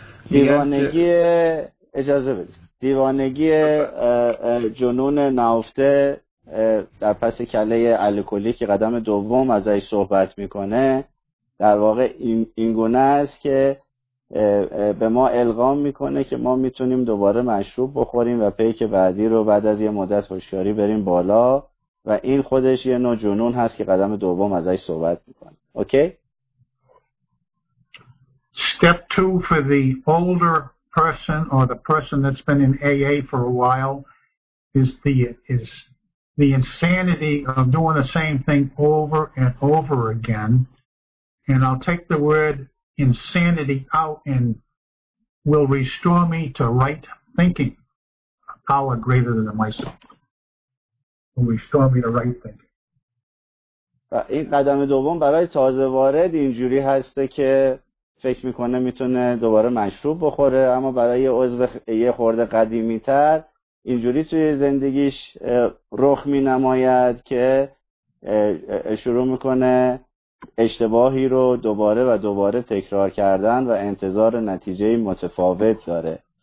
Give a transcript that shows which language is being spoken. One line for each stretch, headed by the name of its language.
Persian: دیوانگی اجازه بدید، دیوانگی جنون نهفته در پس کله الکلی که قدم دوم ازش صحبت میکنه در واقع این گونه است که به ما الغام میکنه که ما میتونیم دوباره مشروب بخوریم و پیک بعدی رو بعد از یه مدت هوشیاری بریم بالا، و این خودش یه نوع جنون هست که قدم دوم ازش صحبت میکنه.
English: Okay? Step two for the older person or the person that's been in AA for a while is the insanity of doing the same thing over and over again. And I'll take the word insanity out and will restore me to right thinking, a power greater than myself. Will restore me to right thinking.
Persian: این قدم دوم برای تازه وارد اینجوری هست که فکر میکنه میتونه دوباره مشروب بخوره، اما برای یه عضو یه خورده قدیمی تر اینجوری توی زندگیش رخ می نماید که شروع میکنه اشتباهی رو دوباره و دوباره تکرار کردن و انتظار نتیجه متفاوت داره.